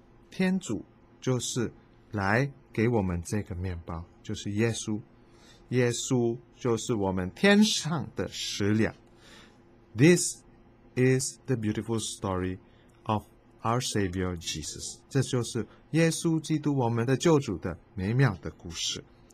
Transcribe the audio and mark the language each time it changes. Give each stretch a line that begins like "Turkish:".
Chinese: 天主就是来给我们这个面包，就是耶稣。耶稣就是我们天上的食粮。
English: This is the beautiful story of our Savior Jesus.
Chinese: 这就是耶稣基督我们的救主的美妙的故事。